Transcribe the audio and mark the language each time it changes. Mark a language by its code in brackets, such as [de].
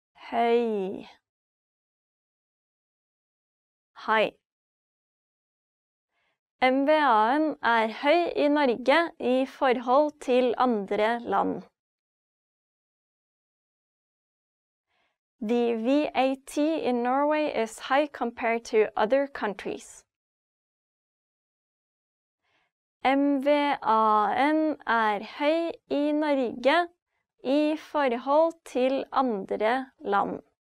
[no] Høy. Hei. MVA-en er høy i Norge i forhold til andre land. [en] The VAT in Norway is high compared to other countries. [no] MVA-en er høy i Norge i forhold til andre land.